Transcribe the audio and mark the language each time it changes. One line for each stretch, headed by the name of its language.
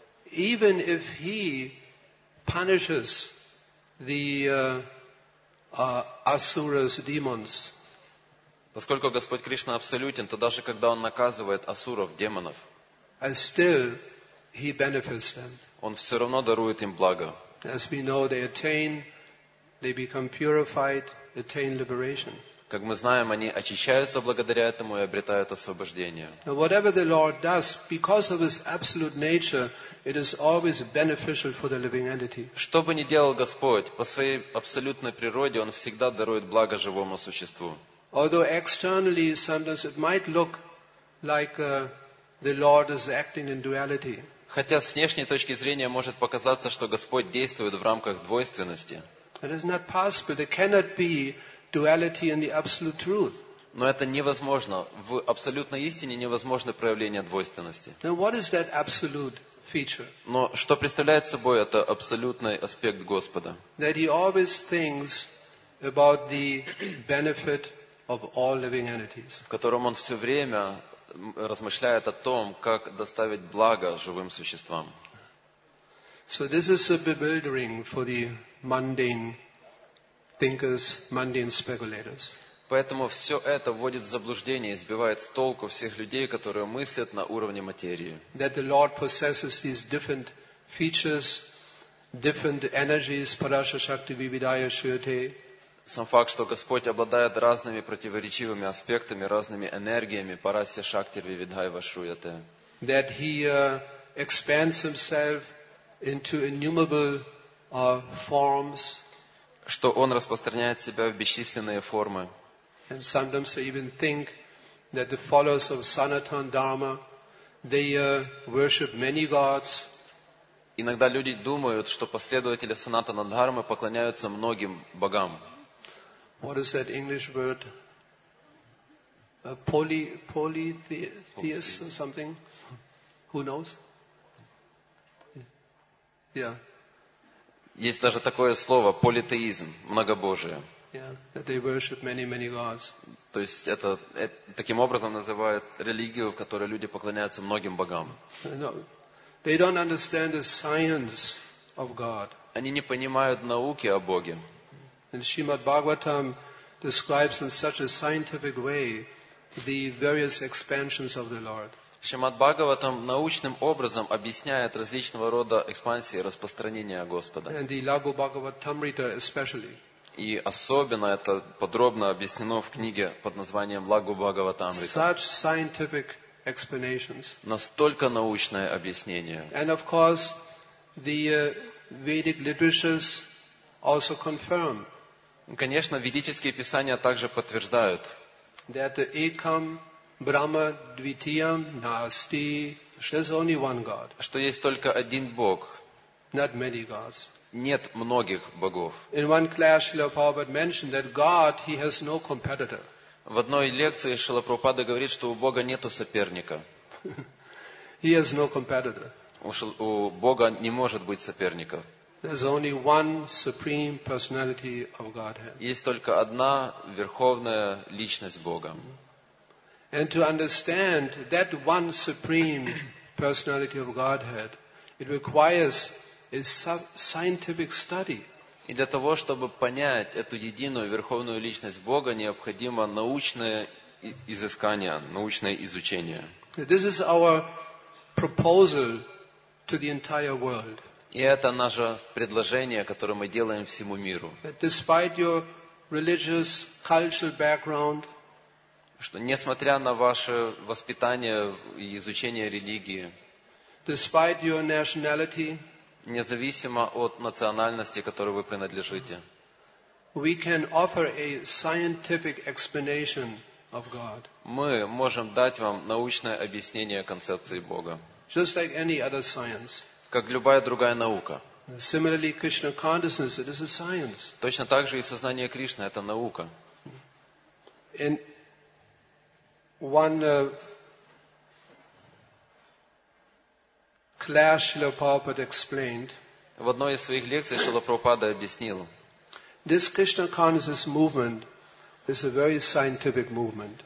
English: Even if he punishes the asuras, demons.
Russian: Поскольку Господь Кришна абсолютен, то даже когда он наказывает асуров, демонов,
English: and still he benefits them.
Russian: Он все равно дарует им благо.
English: As we know, they attain, they become purified, attain liberation.
Russian: Как мы знаем, они очищаются благодаря этому и обретают освобождение.
English: Now, whatever the Lord does, because of his absolute nature, it is always beneficial for the living entity.
Russian: Что бы ни делал Господь, по своей абсолютной природе он всегда дарует благо живому существу.
English: Although externally sometimes it might look like the Lord is acting in duality.
Russian: Хотя с внешней точки зрения может показаться, что Господь действует в рамках двойственности.
English: It is not possible. There cannot be duality in the absolute truth.
Russian: Но это невозможно. В абсолютной истине невозможно проявление двойственности.
English: Now, what is that absolute feature?
Russian: Но что представляет собой это абсолютный аспект Господа?
English: That he always thinks about the benefit of all living entities.
Russian: В котором он все время размышляет о том, как доставить благо живым существам.
English: So this is a bewildering for the mundane thinkers, mundane speculators.
Russian: Поэтому все это вводит в заблуждение и сбивает с толку всех людей, которые мыслят на уровне материи.
English: That the Lord possesses these different features, different energies,
Sanskrit: parasha shakti vividaya shirte.
Russian: Сам факт, что Господь обладает разными противоречивыми аспектами, разными энергиями,
Sanskrit: парасья шактир вивидхайва шуяте.
English: That he expands himself into innumerable forms.
Russian: Что он распространяет себя в бесчисленные формы.
English: And sometimes they even think that the followers of Sanatan Dharma, they worship many gods.
Russian: Иногда люди думают, что последователи Санатана Дхармы поклоняются многим богам.
English: What is that English word? Polytheist or something? Who knows? Yeah.
Russian: Есть даже такое слово, политеизм, многобожие.
English: that they worship many, many gods.
Russian: То есть это таким образом называют религию, в которой люди поклоняются многим богам.
English: No, they don't understand the science of God.
Russian: Они не понимают науки о Боге.
English: And Srimad Bhagavatam describes in such a scientific way the various expansions of the Lord.
Russian: Шримад Бхагаватам научным образом объясняет различного рода экспансии и распространения Господа.
English: And the Lagu Bhagavatamrita especially.
Russian: И особенно это подробно объяснено в книге под названием Лагу Бхагаватамрита.
English: Such scientific explanations.
Russian: Настолько научное объяснение.
English: And of course, the Vedic literatures also confirm.
Russian: Конечно, ведические писания также подтверждают.
English: That the
Sanskrit: Ekam Brahma Dvitiyam Nasti.
English: There's only one God.
Russian: Что есть только один Бог.
English: Not many gods.
Russian: Нет многих богов.
English: In one class, Srila Prabhupada mentioned that God, he has no competitor.
Russian: В одной лекции Шрила Прабхупада говорит, что у Бога нету соперника.
English: He has no competitor.
Russian: У Бога не может быть соперника.
English: There's only one supreme personality of Godhead.
Russian: Есть только одна верховная личность Бога.
English: And to understand that one supreme personality of Godhead, it requires a scientific study.
Russian: И для того, чтобы понять эту единую верховную личность Бога, необходимо научное изыскание, научное изучение.
English: This is our proposal to the entire world.
Russian: И это наше предложение, которое мы делаем всему миру.
English: That despite your religious cultural background,
Russian: что несмотря на ваше воспитание и изучение религии,
English: despite your nationality,
Russian: независимо от национальности, которой вы принадлежите,
English: we can offer a scientific explanation of God.
Russian: Мы можем дать вам научное объяснение концепции Бога.
English: Just like any other science.
Russian: Как любая другая наука.
English: Similarly, Krishna consciousness, it is a science.
Russian: Точно так же и сознание Кришны – это наука.
English: And one class Srila Prabhupada explained.
Russian: В одной из своих лекций Шрила Прабхупада объяснил.
English: This Krishna consciousness movement is a very scientific movement.